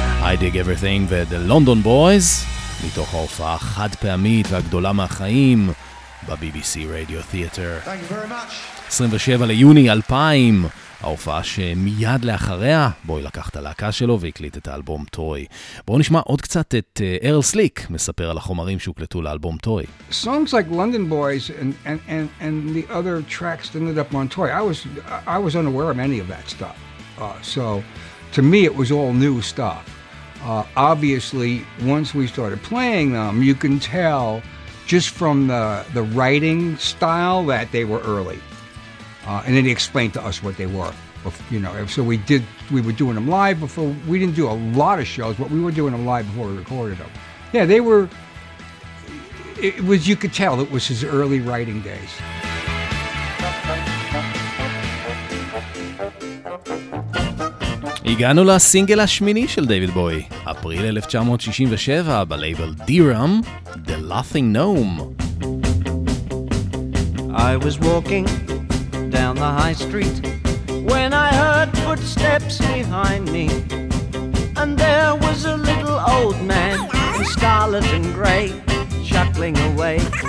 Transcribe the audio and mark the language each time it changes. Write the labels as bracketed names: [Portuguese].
[Hebrew] I Dig Everything ו-The London Boys, מתוך ההופעה החד פעמית והגדולה מהחיים ב-BBC Radio Theater. [English] Thank you very much. [Hebrew] 27 ליוני 2000, ההופעה שמיד לאחריה, בואי לקח את הלהקה שלו והקליט את האלבום טוי. בואו נשמע עוד קצת את ארל סליק מספר על החומרים שהוקלטו לאלבום טוי. [English] Songs like London Boys and the other tracks that ended up on Toy, I was unaware of any of that stuff. So to me it was all new stuff. Obviously once we started playing them, you can tell just from the writing style that they were early. And then he explained to us what they were, you know. So we were doing them live before. We didn't do a lot of shows, but we were doing them live before we recorded them. Yeah, they were, it was, you could tell it was his early writing days. [Hebrew] הגענו לסינגל השמיני של דייוויד בוי, אפריל 1967, בלייבל DRAM, The Laughing Gnome. [English] I was walking down the high street when I heard footsteps behind me, and there was a little old man in scarlet and grey chuckling away.